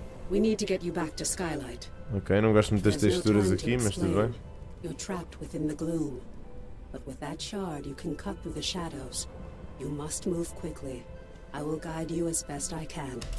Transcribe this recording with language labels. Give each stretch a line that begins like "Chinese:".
English: We need to get you back to Skylight.
Portuguese: Ok, não gosto muito das texturas aqui, mas tudo bem.
English: You're trapped within the gloom. But with that shard, you can cut through the shadows. You must move quickly. I will guide you as best I can.